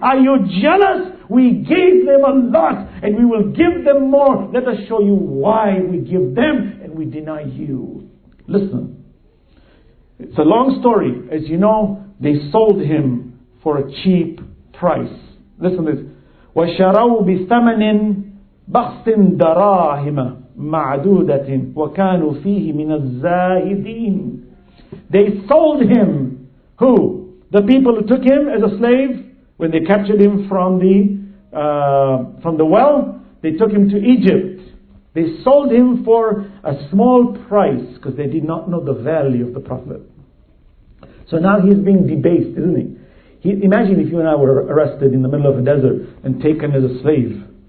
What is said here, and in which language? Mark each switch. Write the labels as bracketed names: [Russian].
[English] Are you jealous? We gave them a lot and we will give them more. Let us show you why we give them and we deny you. Listen. It's a long story. As you know, they sold him for a cheap price. Listen to this. [Arabic] وَشَرَوْا بِثَمَنٍ بَخْسٍ دَرَاهِمَ مَعْدُودَةٍ وَكَانُوا فِيهِ مِنَ الزَّاهِدِينَ [English] They sold him. Who? The people who took him as a slave when they captured him from the well. They took him to Egypt. They sold him for a small price because they did not know the value of the Prophet. So now he's being debased, isn't he? Imagine if you and I were arrested in the middle of a desert and taken as a slave.